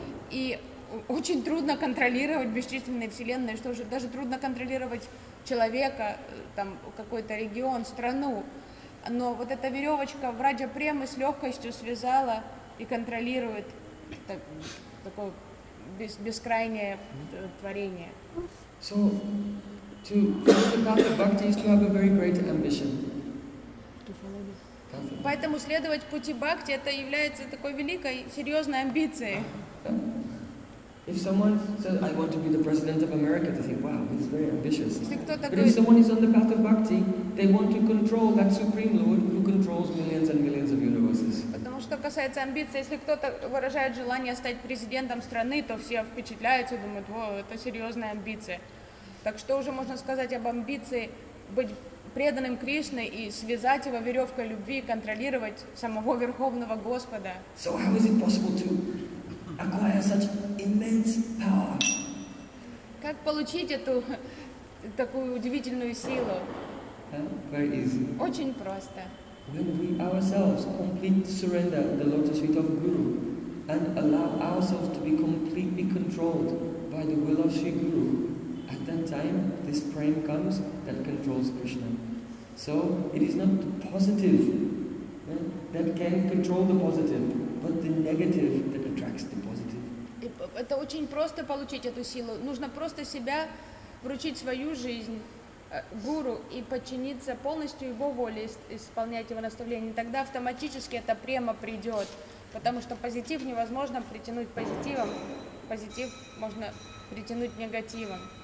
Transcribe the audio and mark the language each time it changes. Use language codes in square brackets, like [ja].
[ru] И очень трудно контролировать бесчисленные вселенные. Что же, даже трудно контролировать человека, там, какой-то регион, страну. Но вот эта веревочка Vraja Prema с легкостью связала и контролирует такое бескрайнее творение. [en] So, to follow the path of bhakti is to have a very great ambition. [ru] Поэтому следовать пути бхакти это является такой великой, серьезной амбицией. [en] If someone says, I want to be the president of America, they think, wow, he's very ambitious. [ru] Такой... [en] But if someone is on the path of bhakti, they want to control that supreme lord who controls millions and millions of universes. [ru] Потому что касается амбиций, если кто-то выражает желание стать президентом страны, то все впечатляются и думают, о, это серьезная амбиция. Так что уже можно сказать об амбиции быть преданным Кришне и связать его веревкой любви, контролировать самого Верховного Господа. [en] So how is it possible to acquire such immense power? [ru] Как получить эту такую удивительную силу? [en] Very easy. [ru] Очень просто. [en] When we ourselves completely surrender the lotus feet of Guru and allow ourselves to be completely controlled by the will of Sri Guru, at that time this prema comes that controls Krishna. So it is not the positive that can control the positive, but the negative that attracts the positive. [ru] Это очень просто получить эту силу. Нужно просто себя вручить свою жизнь. гуру и подчиниться полностью его воле, исполнять его наставления, тогда автоматически эта према придет. Потому что позитив невозможно притянуть позитивом, позитив можно притянуть негативом.